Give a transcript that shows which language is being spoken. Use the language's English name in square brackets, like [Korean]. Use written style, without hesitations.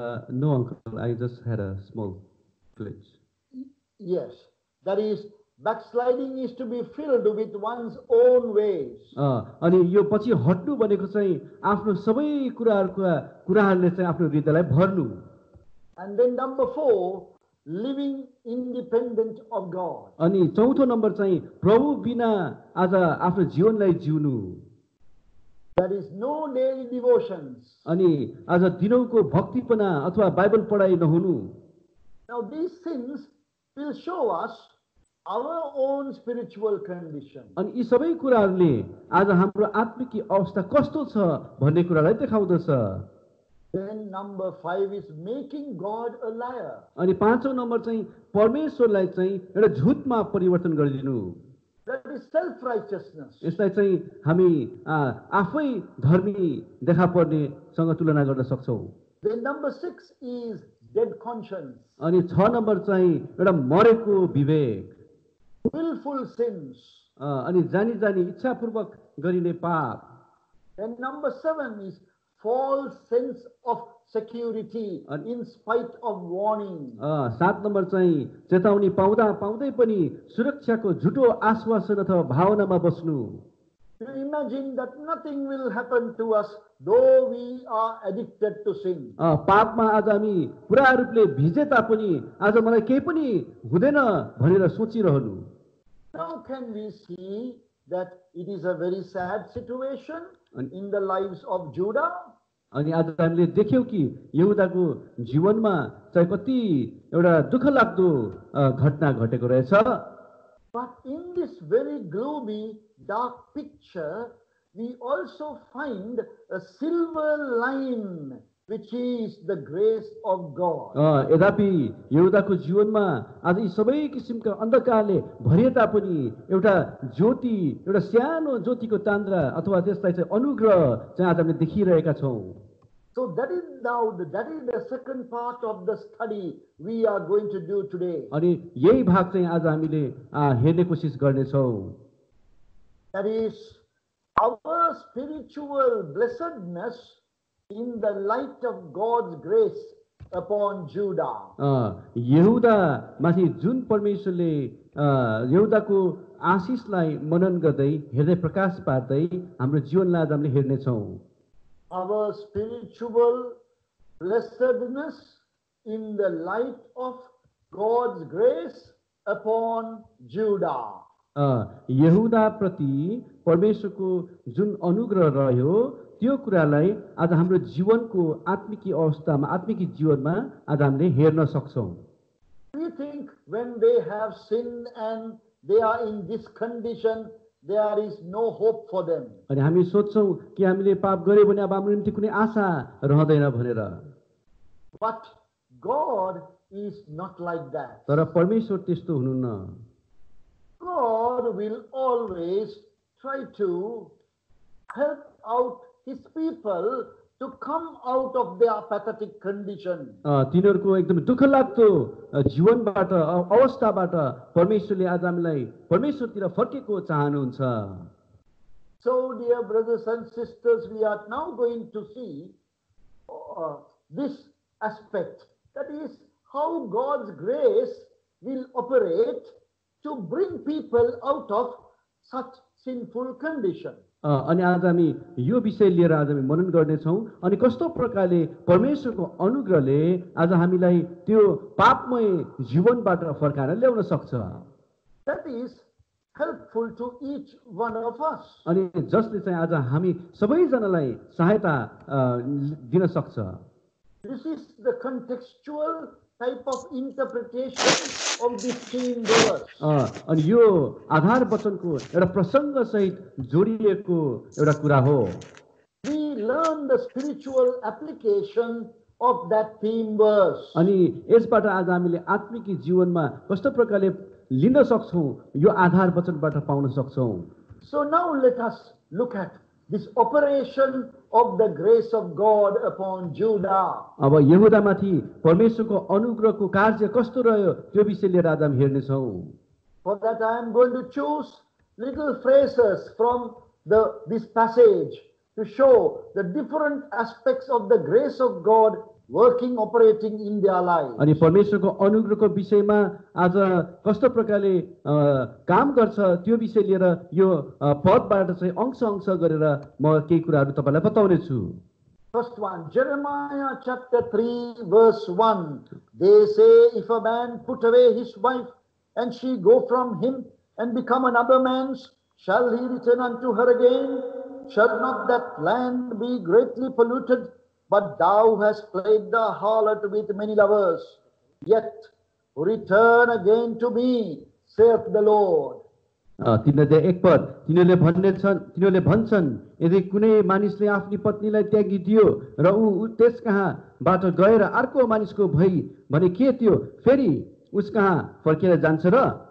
[English] No, uncle. I just had a small glitch. Yes, that is backsliding is to be filled with one's own ways. [Nepali] अनि यो पछि हट्नु भनेको चाहिँ आफ्नो सबै कुराहरूले चाहिँ आफ्नो हृदयलाई भर्नु. [English] And then number four, living independent of God. [Nepali] अनि चौथो नम्बर चाहिँ प्रभु बिना आज आफ्नो जीवनलाई जिउनु. [English] There is no daily devotions. [Nepali] अनि आज दिनौको भक्तिपना अथवा बाइबल पढाइ नहुनु. [English] Now these sins will show us our own spiritual condition. [Nepali] अनि यी सबै कुराहरूले आज हाम्रो आत्मिक अवस्था कस्तो छ भन्ने कुरालाई देखाउँदछ. [English] Then number five is making God a liar. [Nepali] अनि पाँचौ नम्बर चाहिँ परमेश्वरलाई चाहिँ एउटा झुटमा परिवर्तन गरिदिनु. [English] That is self-righteousness. [Nepali] यसलाई चाहिँ हामी आफै धर्मी देखा पर्ने सँग तुलना गर्न सक्छौ. [English] Then number six is dead conscience. [Nepali] अनि छ नम्बर चाहिँ एउटा मरेको विवेक. [English] Willful sins. [Nepali] अनि जानी जानी इच्छापूर्वक गरिने पाप. [English] Then number seven is false sense of security in spite of warning. [Nepali] सात नम्बर चाहिँ चेतावनी पाउँदा पाउँदै पनि सुरक्षाको झुटो आश्वासन अथवा भावनामा बस्नु. [English] Imagine that nothing will happen to us though we are addicted to sin. [Nepali] पापमा आज हामी पूरा रूपले भिजे तापनि आज मलाई केही पनि हुँदैन भनेर सोचिरहनु. [English] How can we see that it is a very sad situation in the lives of Judah? [Nepali] अनि आज हामीले देख्यौँ कि यहुदाको जीवनमा चाहिँ कति एउटा दुःख लाग्दो घटना घटेको रहेछ. [English] But in this very gloomy, dark picture, we also find a silver line, which is the grace of God. [Nepali] यद्यपि यहुदाको जीवनमा आज यी सबै किसिमका अन्धकारले भरिए तापनि एउटा ज्योति, एउटा सानो ज्योतिको तान्द्रा अथवा त्यसलाई चाहिँ अनुग्रह चाहिँ आज हामीले देखिरहेका छौँ. [English] So that is the second part of the study we are going to do today. [Nepali] अनि यही भाग चाहिँ आज हामीले हेर्ने कोसिस गर्नेछौँ. [English] That is our spiritual blessedness in the light of God's grace upon Judah. [Nepali] यहुदा माथि जुन परमेश्वरले यहुदाको आशिषलाई मनन गर्दै हृदय प्रकाश पार्दै हाम्रो जीवनलाई आज हामीले हेर्नेछौँ. [English] Our spiritual blessedness in the light of God's grace upon Judah. [Nepali] यहुदा प्रति परमेश्वरको जुन अनुग्रह रह्यो त्यो कुरालाई आज हाम्रो जीवनको आत्मिकी अवस्थामा आत्मिकी जीवनमा आज हामीले हेर्न सक्छौँ. [English] We think when they have sinned and they are in this condition, there is no hope for them. [Nepali] अनि हामी सोच्छौँ कि हामीले पाप गरे भने अब हाम्रो निम्ति कुनै आशा रहँदैन भनेर. [English] But God is not like that. [Nepali] तर परमेश्वर त्यस्तो हुनुहुन्न. [English] God will always try to help out his people to come out of their apathetic condition. [Nepali] तिनीहरूको एकदम दुःख लाग्दो जीवनबाट अवस्थाबाट परमेश्वरले आज हामीलाई परमेश्वरतिर फर्केको चाहनुहुन्छ. [English] So dear brothers and sisters, we are now going to see this aspect, that is how God's grace will operate to bring people out of such sinful condition. [Nepali] अनि आज हामी यो विषय लिएर आज हामी मनन गर्नेछौँ. अनि कस्तो प्रकारले परमेश्वरको अनुग्रहले आज हामीलाई त्यो पापमय जीवनबाट फर्काएर ल्याउन सक्छ. [English] That is helpful to each one of us. [Nepali] अनि जसले चाहिँ आज हामी सबैजनालाई सहायता दिन सक्छ. [English] This is the contextual type of interpretation of this theme verse. [Nepali] अनि यो आधार वचनको एउटा प्रसंग सहित जोडिएको एउटा कुरा हो. [English] We learn the spiritual application of that theme verse. [Nepali] अनि यसबाट आज हामीले आत्मिक जीवनमा कस्तो प्रकारले लिन सक्छौ यो आधार वचनबाट पाउन सक्छौ. [English] So now let us look at this operation of the grace of God upon Judah. [Nepali] अब यहुदामाथि परमेश्वरको अनुग्रहको कार्य कस्तो रह्यो त्यो विषय लिएर आज हामी हेर्ने छौ. [English] For that I am going to choose little phrases from this passage to show the different aspects of the grace of God working, operating in their lives. [Nepali] अनि परमेश्वरको अनुग्रहको विषयमा आज कस्तो प्रकारले काम गर्छ त्यो विषय लिएर यो पदबाट चाहिँ अंश अंश गरेर म केही कुराहरू तपाईँलाई बताउने छु. [English] First one, Jeremiah chapter 3 verse 1. They say if a man put away his wife and she go from him and become another man's, shall he return unto her again? Shall not that land be greatly polluted? But thou hast played the harlot with many lovers. Yet return again to me, saith the Lord. [Nepali] तिनीहरूले एक पद तिनीहरूले भन्नेछन् तिनीहरूले भन्छन् यदि कुनै मानिसले आफ्नी पत्नीलाई त्यागी दियो र ऊ त्यस कहाँबाट गएर अर्को मानिसको भई भने के त्यो फेरि उस कहाँ फर्केर जान्छ र